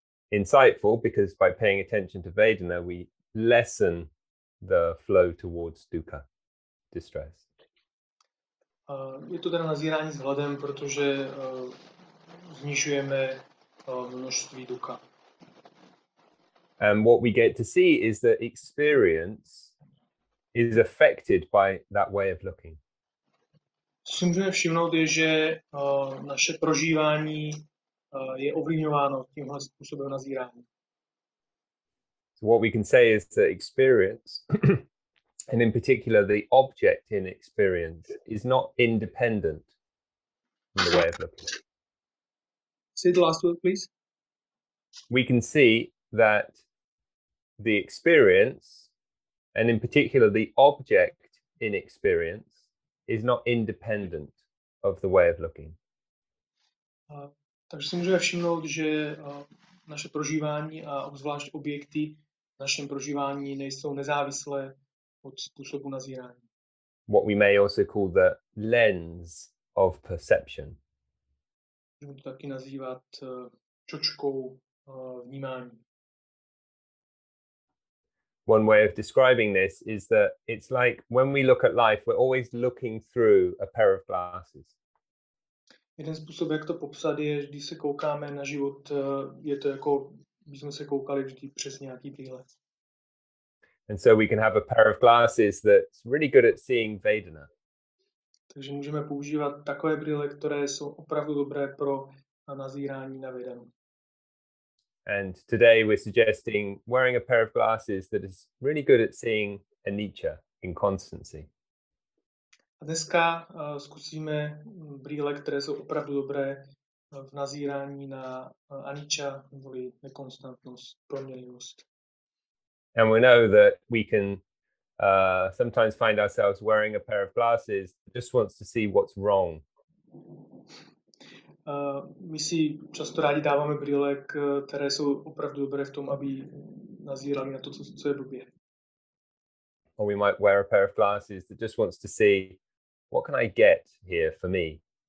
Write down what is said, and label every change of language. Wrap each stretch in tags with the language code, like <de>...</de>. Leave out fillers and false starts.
<en>Insightful because by paying attention to Vedana we lessen the flow towards dukkha, distress.</en> <cs>Je to teda nazírání vzhledem, protože znižujeme množství dukkha.</cs> <en>And what we get to see is that experience is affected by that way of looking.</en> <cs>Co si můžeme všimnout je, že naše prožívání je ovlivňováno tímhle způsobem nazírání.</cs> <en>So what we can say is that experience, and in particular the object in experience, is not independent in the way of looking. Say the last word, please. We can see that the experience, and in particular the object in experience, is not independent of the way of looking.</en> <cs>Takže si můžeme všimnout, že naše prožívání a obzvlášť objekty v našem prožívání nejsou nezávislé od způsobu nazírání.</cs> <en>What we may also call the lens of perception.</en> <cs>Můžeme to taky nazývat čočkou vnímání.</cs> <en>One way of describing this is that it's like when we look at life, we're always looking through a pair of glasses.</en> <cs>Jeden způsob, jak to popsat, je, když se koukáme na život, je to jako, když jsme se koukali vždy přes nějaký výhled.</cs> <en>And so we can have a pair of glasses that's really good at seeing Vedana.</en> <cs>Takže můžeme používat takové brýle, které jsou opravdu dobré pro nazírání na Vedanu.</cs> <en>And today we're suggesting wearing a pair of glasses that is really good at seeing anicca, inconstancy.</en> <cs>A dneska zkusíme brýle, které jsou opravdu dobré v nazírání na anicca, neboli nekonstantnost, proměnlivost.</cs> <en>And we know that we can sometimes find ourselves wearing a pair of glasses that just wants to see what's wrong.</en> <cs>My si často rádi dáváme brýle, které jsou opravdu dobré v tom, aby nazírali na to, co je blbě.</cs> <en>Or we might wear a pair of glasses that just wants to see what can I get here for me.</en>